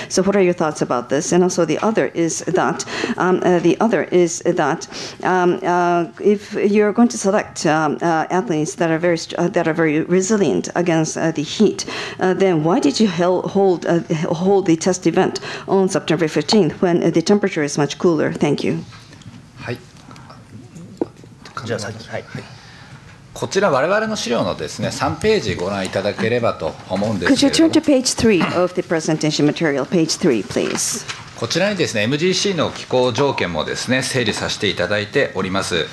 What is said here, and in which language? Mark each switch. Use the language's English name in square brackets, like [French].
[English] So what are your thoughts about this? And also, the other is that, if you're going to select athletes that are very, resilient against the heat, then why did you hold the test event? On September 15th, when the temperature is much cooler. Thank you. [Japanese] はい。じゃあ先に、はい。こちら我々の資料のですね、3ページご覧いただければと思うんですけど。 [English] Could you turn to page 3 of the presentation material, page 3, please? [Japanese] こちらにですね、MGC の気候条件もですね、整理させていただいております。